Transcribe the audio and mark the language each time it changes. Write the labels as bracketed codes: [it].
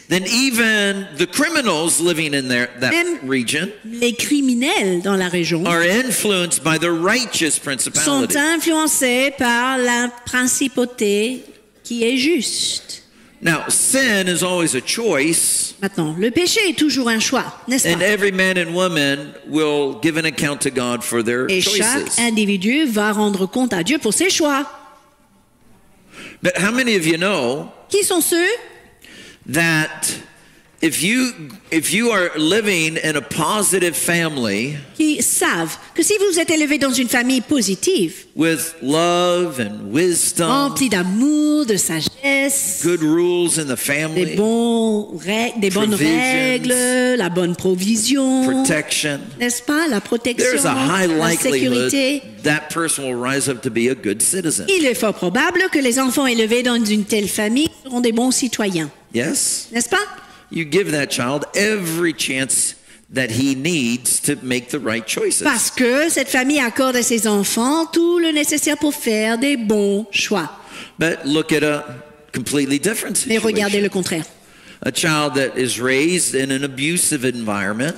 [en] then even the criminals living in that region, [fr] les criminels dans la région, [en] are influenced by the righteous principality. [fr] Sont influencés par la principauté qui est juste. [en] Now, sin is always a choice. [fr] Maintenant, le péché est toujours un choix, n'est-ce pas? [en] And every man and woman will give an account to God for their choices. [fr] Et chaque individu va rendre compte à Dieu pour ses choix. [en] But how many of you know [fr] qui sont ceux [en] that if you are living in a positive family [fr] qui savent que si vous êtes élevé dans une famille positive [en] with love and wisdom [fr] rempli d'amour, de sagesse [en] good rules in the family [fr] des bonnes règles la bonne provision [en] protection [fr] n'est-ce pas la protection [en] there's a high likelihood [fr] sécurité, [en] that person will rise up to be a good citizen. [fr] Il est fort probable que les enfants élevés dans une telle famille seront des bons citoyens. [en] Yes. [fr] N'est-ce pas? [en] You give that child every chance that he needs to make the right choices. [fr] Parce que cette famille accorde à ses enfants tout le nécessaire pour faire des bons choix. [en] But look at a completely different situation. [fr] Mais regardez le contraire. [en] A child that is raised in an abusive environment.